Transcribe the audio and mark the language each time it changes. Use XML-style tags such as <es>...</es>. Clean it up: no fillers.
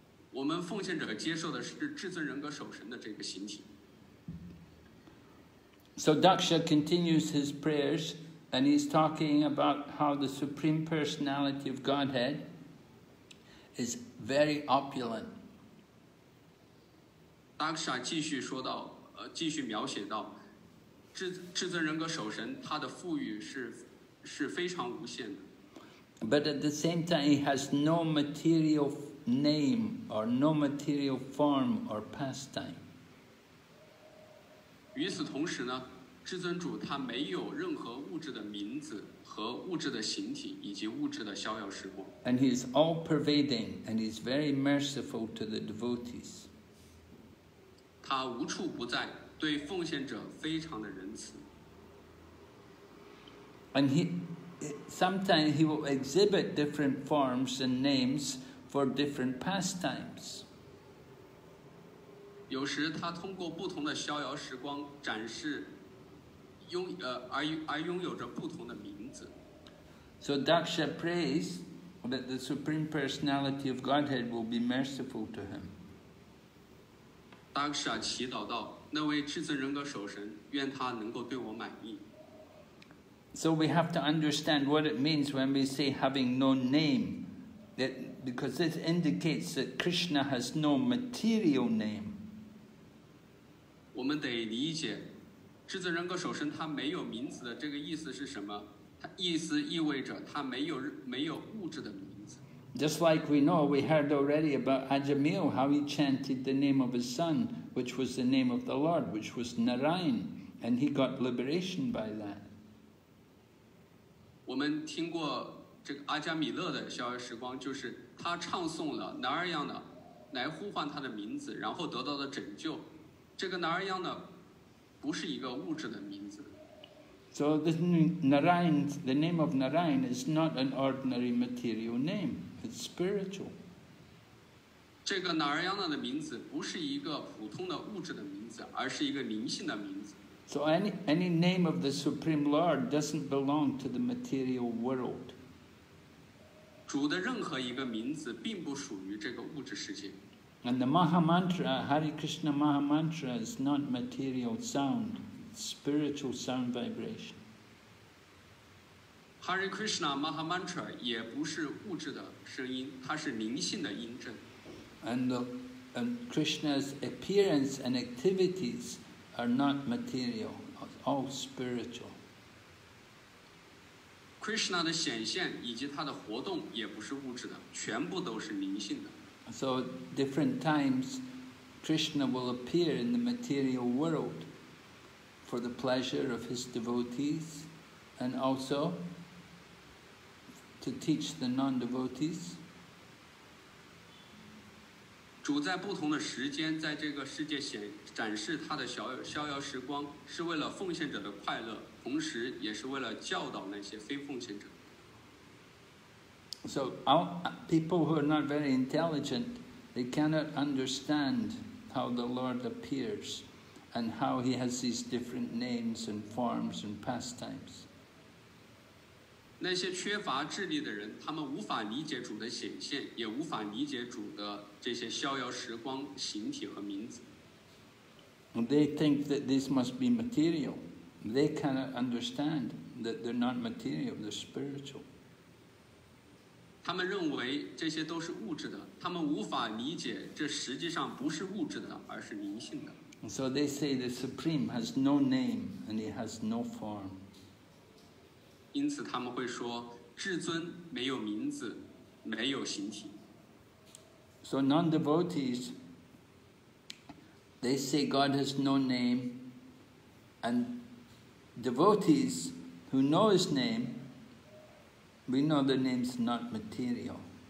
<zh>我们奉献者接受的是至尊人格守神的这个形体。</zh> <en>So Daksha continues his prayers, and he's talking about how the Supreme Personality of Godhead is very opulent.</en> <zh>Daksha 继续说到，继续描写到，至尊人格守神，他的富裕是非常无限的。</zh> <en>But at the same time, he has no material name or no material form or pastime.</en> <zh>与此同时呢，至尊主他没有任何物质的名字和物质的形体以及物质的逍遥时光。</zh> <en>And he is all pervading, and he is very merciful to the devotees.</en> <zh>他无处不在，对奉献者非常的仁慈。</zh> <en>And he, sometimes he will exhibit different forms and names for different pastimes.</en> <zh>有时他通过不同的逍遥时光展示拥而拥有着不同的名字。</zh> <en>So Daksha prays that the Supreme Personality of Godhead will be merciful to him.</en> <zh>Daksha 祈祷道，那位至尊人格守神，愿他能够对我满意。</zh> <en>So we have to understand what it means when we say having no name, that because this indicates that Krishna has no material name.</en> <zh>我们得理解，至尊人格守神他没有名字的这个意思是什么？意思意味着他没有物质的名字。</zh> <en>Just like we know, we heard already about Ajamil, how he chanted the name of his son, which was the name of the Lord, which was Narayan, and he got liberation by that.</en> <zh>我们听过这个阿加米勒的逍遥时光，就是他唱诵了 Narayana 来呼唤他的名字，然后得到的拯救。这个 Narayana 不是一个物质的名字。</zh> <en>So this Narayan, the name of Narayan is not an ordinary material name, it's spiritual.</en> <zh>这个 Narayana 的名字不是一个普通的物质的名字，而是一个灵性的名字。</zh> <en>So any name of the Supreme Lord doesn't belong to the material world.</en> <zh>主的任何一个名字并不属于这个物质世界。</zh> <en>And the Maha Mantra, Hare Krishna Maha Mantra is not material sound. Spiritual sound vibration.</en> <zh>Hare Krishna Maha Mantra 也不是物质的声音，它是灵性的音阵。</zh> <en>And Krishna's appearance and activities are not material, all spiritual.</en> <zh>Krishna 的显现以及他的活动也不是物质的，全部都是灵性的。</zh> <en>So different times, Krishna will appear in the material world. For the pleasure of his devotees, and also to teach the non-devotees.</en> <zh>主在不同的时间在这个世界显展示他的逍遥时光，是为了奉献者的快乐，同时也是为了教导那些非奉献者。</zh> <en>So all people who are not very intelligent, they cannot understand how the Lord appears. And how he has these different names and forms and pastimes.</en> <zh>那些缺乏智力的人，他们无法理解主的显现，也无法理解主的这些逍遥时光形体和名字。</zh> <en>They think that this must be material. They cannot understand that they're not material, they're spiritual.</en> <zh>他们认为这些都是物质的，他们无法理解这实际上不是物质的，而是灵性的。</zh> <en>So they say the Supreme has no name and he has no form.</en> <zh>因此他们会说，至尊没有名字，没有形体。</zh> <en>So non-devotees, they say God has no name, and devotees who know his name, we know the name's not material.</en>